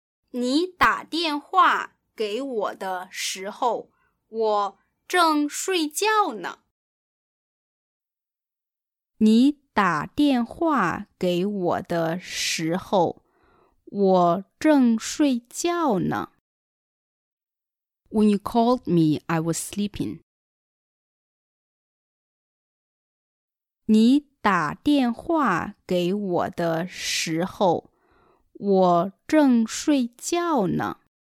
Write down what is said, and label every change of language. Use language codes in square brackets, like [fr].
[zh] 你打电话给我的时候，我正睡觉呢。你打电话给我的时候，我正睡觉呢。 [en] When you called me, I was sleeping. [zh] 你打电话给我的时候，我正睡觉呢。